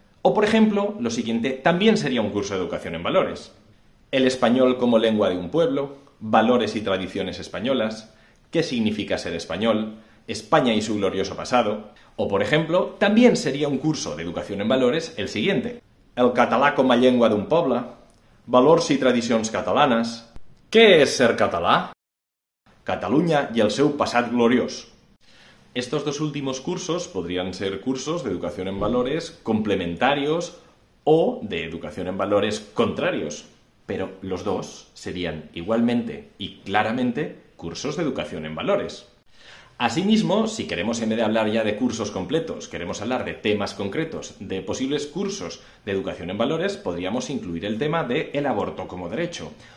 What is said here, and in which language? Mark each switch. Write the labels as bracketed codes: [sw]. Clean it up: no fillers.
[es] O, por ejemplo, lo siguiente también sería un curso de educación en valores. El español como lengua de un pueblo, valores y tradiciones españolas, qué significa ser español, España y su glorioso pasado. O, por ejemplo, también sería un curso de educación en valores el siguiente. [ca] El català com a llengua d'un poble, valors i tradicions catalanes, què és ser català? Catalunya i el seu passat gloriós. [es] Estos dos últimos cursos podrían ser cursos de educación en valores complementarios o de educación en valores contrarios. Pero los dos serían igualmente y claramente cursos de educación en valores. Asimismo, si queremos, en vez de hablar ya de cursos completos, queremos hablar de temas concretos, de posibles cursos de educación en valores, podríamos incluir el tema de el aborto como derecho.